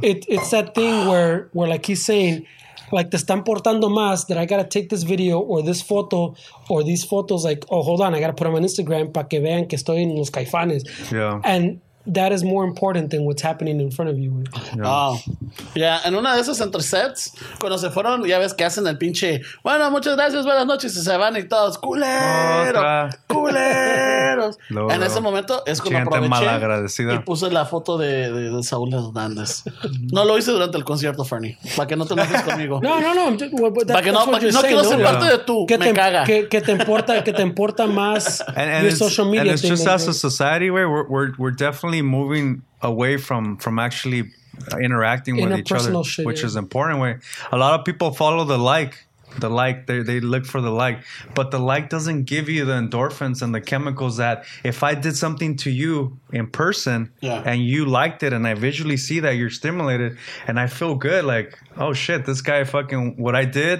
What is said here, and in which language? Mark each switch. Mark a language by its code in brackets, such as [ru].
[en] It's that thing where like he's saying, like, te están portando más, that I got to take this video or this photo or these photos, like, oh, hold on, I got to put them on Instagram [es] para que vean que estoy en los Caifanes. [en] Yeah. And that is more important than what's happening in front of you. Yeah. Oh. Yeah. [es] En una de esas entre sets, cuando se fueron, ya ves que hacen el pinche, bueno, muchas gracias, buenas noches, y se van y todos, culeros. En ese momento es cuando aproveché y puse la foto de Saúl Hernández. No lo hice durante el concierto, Fernie, para que no te enojes conmigo. No. Para que no quiero ser parte de tu, me caga. Que te importa más [en] and your social media. And it's just as a society, where we're definitely moving away from actually interacting with each other, which is important. A lot of people follow the like, The like, they look for the like. But the like doesn't give you the endorphins and the chemicals that if I did something to you in person and you liked it and I visually see that you're stimulated and I feel good, like, oh shit, this guy fucking, what I did.